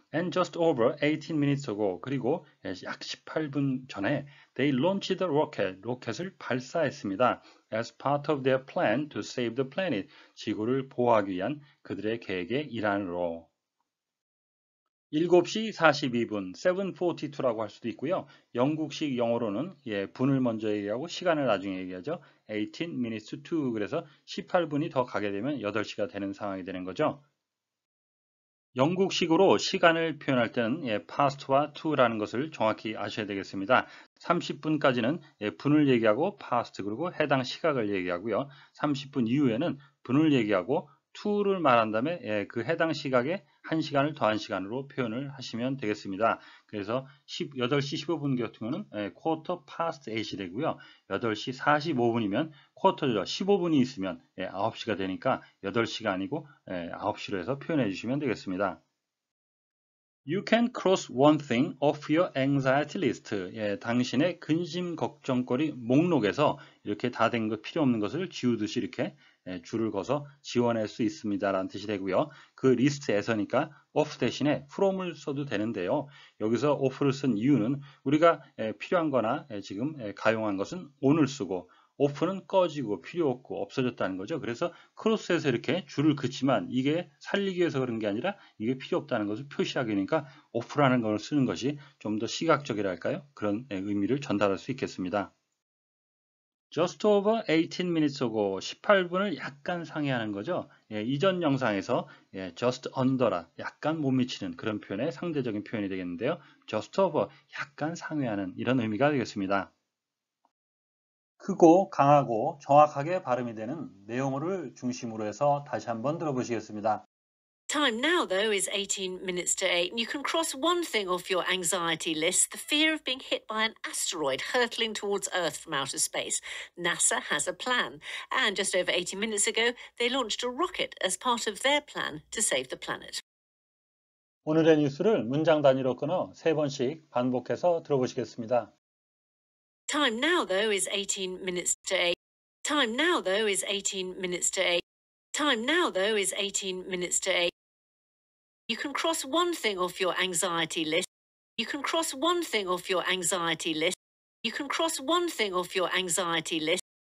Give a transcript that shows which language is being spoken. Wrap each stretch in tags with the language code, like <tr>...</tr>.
<en>And just over 18 minutes ago,</en> <ko>그리고 약 18분 전에</ko> <en>They launched the rocket,</en> <ko>로켓을 발사했습니다.</ko> <en>As part of their plan to save the planet,</en> <ko>지구를 보호하기 위한 그들의 계획의 일환으로. 7시 42분, 7:42라고 할 수도 있고요. 영국식 영어로는 분을 먼저 얘기하고 시간을 나중에 얘기하죠.</ko> <en>18 minutes to,</en> <ko>그래서 18분이 더 가게 되면 8시가 되는 상황이 되는 거죠. 영국식으로 시간을 표현할 때는 past와 to라는 것을 정확히 아셔야 되겠습니다. 30분까지는 분을 얘기하고 past 그리고 해당 시각을 얘기하고요. 30분 이후에는 분을 얘기하고 to를 말한 다음에 그 해당 시각에 1시간을 더한 시간으로 표현을 하시면 되겠습니다. 그래서 8시 15분 같으면</ko> <en>quarter past 8</en> <ko>이 되고요. 8시 45분이면 quarter죠. 15분이 있으면 9시가 되니까 8시가 아니고 9시로 해서 표현해 주시면 되겠습니다.</ko> <en>You can cross one thing off your anxiety list.</en> <ko>당신의 근심 걱정거리 목록에서 이렇게 다 된 것 필요 없는 것을 지우듯이 이렇게 줄을 거서 지워낼 수 있습니다 라는 뜻이 되고요. 그 리스트에서니까 off 대신에 from을 써도 되는데요. 여기서 off를 쓴 이유는 우리가 필요한 거나 지금 가용한 것은 on을 쓰고 off는 꺼지고 필요 없고 없어졌다는 거죠. 그래서 cross에서 이렇게 줄을 긋지만 이게 살리기 위해서 그런 게 아니라 이게 필요 없다는 것을 표시하기니까 off라는 걸 쓰는 것이 좀 더 시각적이랄까요? 그런 의미를 전달할 수 있겠습니다.</ko> <en>Just over 18 minutes ago,</en> <ko>18분을 약간 상회하는 거죠. 이전 영상에서 just under라, 약간 못 미치는 그런 표현의 상대적인 표현이 되겠는데요. Just over, 약간 상회하는 이런 의미가 되겠습니다. 크고 강하고 정확하게 발음이 되는 내용어를 중심으로 해서 다시 한번 들어보시겠습니다.</ko> <en>Time now, though, is 18 minutes to 8, and you can cross one thing off your anxiety list, the fear of being hit by an asteroid hurtling towards Earth from outer space. NASA has a plan, and just over 18 minutes ago, they launched a rocket as part of their plan to save the planet.</en> <ko>오늘의 뉴스를 문장 단위로 끊어 세 번씩 반복해서 들어보시겠습니다.</ko> <en>Time now, though, is 18 minutes to 8. Time now, though, is 18 minutes to 8. Time now, though, is 18 minutes to 8. You can cross one thing off your anxiety list. You can cross one thing off your anxiety list. You can cross one thing off your anxiety list.</en>